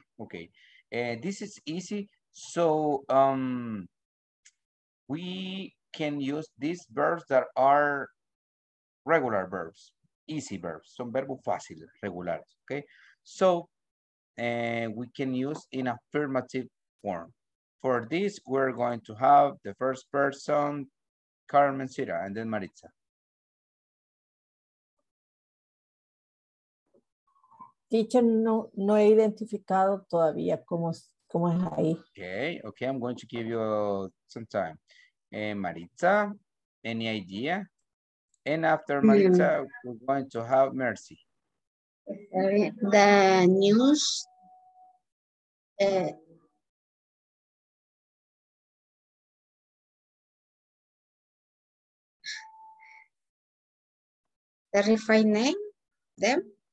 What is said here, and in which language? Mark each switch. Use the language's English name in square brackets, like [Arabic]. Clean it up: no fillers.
[English] Okay, and this is easy. So, we can use these verbs that are regular verbs, easy verbs, [Spanish] son verbos fáciles, regulares, [English] okay? So, we can use in affirmative form. For this, we're going to have the first person, Carmen Cira, and then Maritza. [Spanish] Teacher, no he identificado todavía cómo es ahí. [English] Okay, I'm going to give you some time. Maritza, any idea? And after Maritza, we're going to have Mercy. The news. The refine name, them.